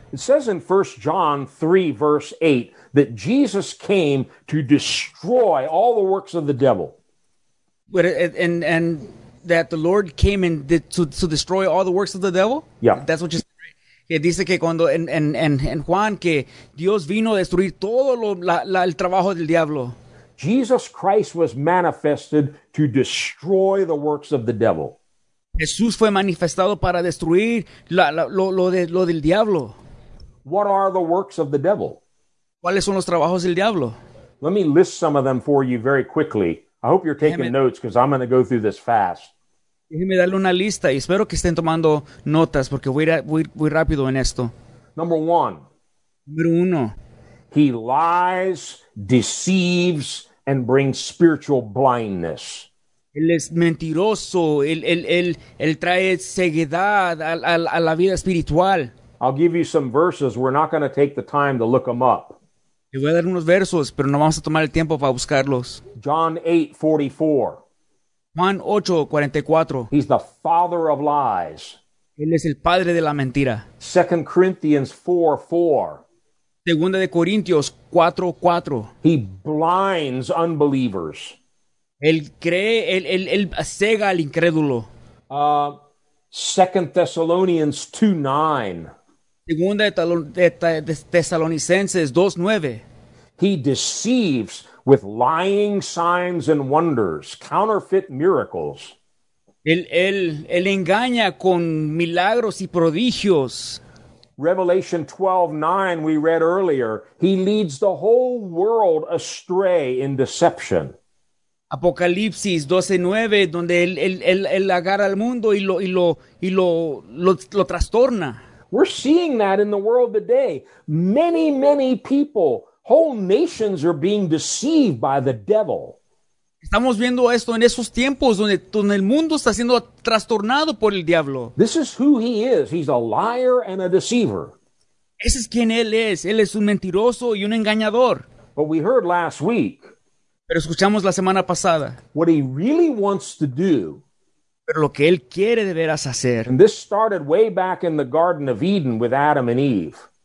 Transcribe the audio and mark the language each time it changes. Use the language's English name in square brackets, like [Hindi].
[English] It says in 1 John 3, verse 8, that Jesus came to destroy all the works of the devil. And that the Lord came in to destroy all the works of the devil? Yeah. That's what you said. [Spanish] Que dice que cuando en Juan que Dios vino a destruir todo el trabajo del diablo. [English] Jesus Christ was manifested to destroy the works of the devil. [Spanish] Jesús fue manifestado para destruir lo del diablo. [English] What are the works of the devil? [Spanish] ¿Cuáles son los trabajos del diablo? [English] Let me list some of them for you very quickly. I hope you're taking notes because I'm going to go through this fast. [Spanish] Déjeme darle una lista y espero que estén tomando notas porque voy rápido en esto. [English] Number one. [Spanish] Número uno. [English] He lies, deceives, and brings spiritual blindness. [Spanish] Él es mentiroso. Él trae ceguedad a la vida espiritual. [English] I'll give you some verses. We're not going to take the time to look them up. [Spanish] Le voy a dar unos versos, pero no vamos a tomar el tiempo para buscarlos. [English] John 8, 44. [Spanish] Juan 8, 44. [English] He's the father of lies. [Spanish] Él es el padre de la mentira. [English] 2 Corinthians 4, 4. [Spanish] Segunda de Corintios 4, 4. [English] He blinds unbelievers. [Spanish] Él cree, él ciega al incrédulo. [English] 2 Thessalonians 2, 9. [Spanish] Segunda de Tesalonicenses 2, 9. [English] He deceives with lying signs and wonders, counterfeit miracles. [Spanish] Él engaña con milagros y prodigios. [English] Revelation 12, 9, we read earlier, he leads the whole world astray in deception. [Spanish] Apocalipsis 12, 9, donde él agarra al mundo y lo trastorna. [English] We're seeing that in the world today. Many, many people, whole nations are being deceived by the devil. [Spanish] Estamos viendo esto en esos tiempos donde el mundo está siendo trastornado por el diablo. [English] This is who he is. He's a liar and a deceiver. [Spanish] Ese es quien él es. Él es un mentiroso y un engañador. [English] But we heard last week. [Spanish] Pero escuchamos la semana pasada. [English] What he really wants to do. [Spanish] Pero lo que él quiere de veras hacer. [English] And this started way back in the Garden of Eden with Adam and Eve.